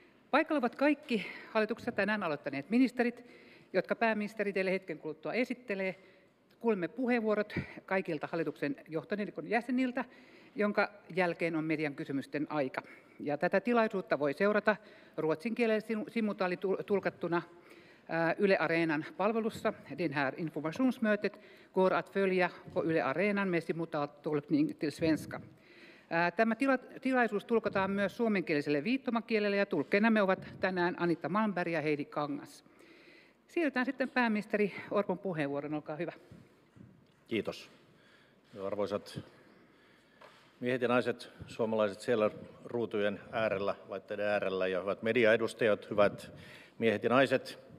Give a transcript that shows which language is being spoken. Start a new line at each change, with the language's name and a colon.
Finnish: Paikalla ovat kaikki hallituksessa tänään aloittaneet ministerit, jotka pääministeri teille hetken kuluttua esittelee. Kuulemme puheenvuorot kaikilta hallituksen johtoneelikon jäseniltä, jonka jälkeen on median kysymysten aika. Ja tätä tilaisuutta voi seurata ruotsin kielellä simultaalitulkattuna Yle Areenan palvelussa.
Swedish: Den här informationsmötet går att följa på Yle Areenan med simultaaltolkning till svenska.
Finnish: Tämä tilaisuus tulkataan myös suomenkieliselle viittomakielelle ja tulkkeina me ovat tänään Anitta Malmberg ja Heidi Kangas. Siirrytään sitten pääministeri Orpon puheenvuoron, olkaa hyvä. Kiitos. Arvoisat miehet ja naiset, suomalaiset siellä ruutujen äärellä, laitteiden äärellä ja hyvät mediaedustajat, hyvät miehet ja naiset.